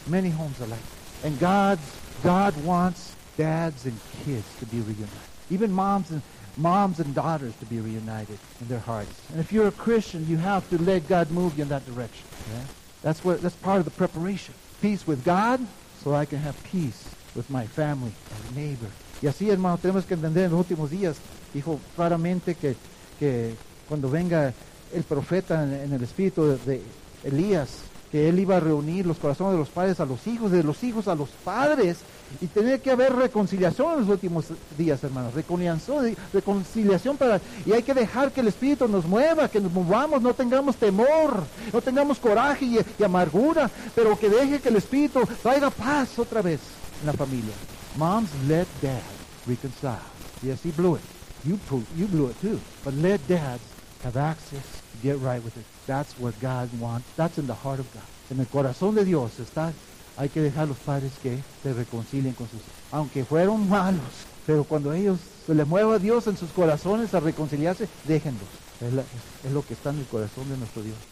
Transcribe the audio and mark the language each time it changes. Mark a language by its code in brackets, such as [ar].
[en] Many homes are like that. And God wants dads and kids to be reunited. Even moms and daughters to be reunited in their hearts. And if you're a Christian, you have to let God move you in that direction. Yeah? That's part of the preparation. Peace with God, so I can have peace with my family and neighbor. [es] Y así, hermano, tenemos que entender en los últimos días, dijo claramente que cuando venga el profeta en el espíritu de Elías, que él iba a reunir los corazones de los padres a los hijos, de los hijos a los padres, y tenía que haber reconciliación en los últimos días, hermanos. Reconciliación para. Y hay que dejar que el Espíritu nos mueva, que nos movamos, no tengamos temor, no tengamos coraje y amargura, pero que deje que el Espíritu traiga paz otra vez en la familia. [en] Moms, let dad reconcile. Yes, he blew it. You blew it too. But let dads have access to get right with it. That's what God wants. That's in the heart of God. [es] En el corazón de Dios está. Hay que dejar a los padres que se reconcilien con sus hijos. Aunque fueron malos, pero cuando ellos se les mueva a Dios en sus corazones a reconciliarse, déjenlos. Es lo que está en el corazón de nuestro Dios.